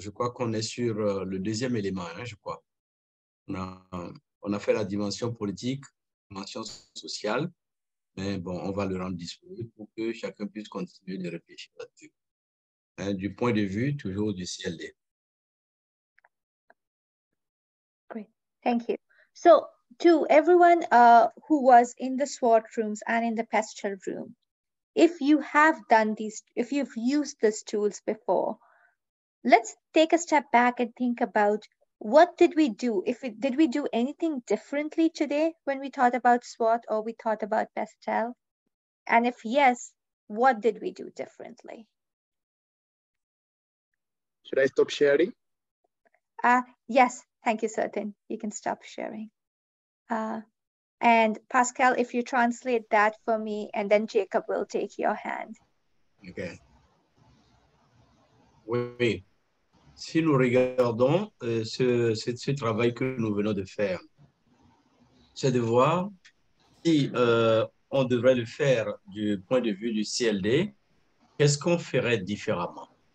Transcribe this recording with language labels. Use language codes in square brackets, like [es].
[fr] Je crois qu'on est sur le deuxième élément, hein, je crois. On a fait la dimension politique, dimension sociale, mais bon, on va le rendre disponible pour que chacun puisse continuer de réfléchir là-dessus. Hein, du point de vue toujours du CLD. [en] Great, thank you. So, to everyone who was in the SWOT rooms and in the PESTEL room, if you have done these, if you've used these tools before, let's take a step back and think about what did we do? Did we do anything differently today when we thought about SWOT or we thought about PESTEL? And if yes, what did we do differently? Should I stop sharing? Yes, thank you, Sertin. You can stop sharing. And Pascal, if you translate that for me, and then Jacob will take your hand. Okay. [fr] Oui. Si nous regardons ce travail que nous venons de faire, c'est de voir si on devrait le faire du point de vue du CLD, qu'est-ce qu'on ferait différemment?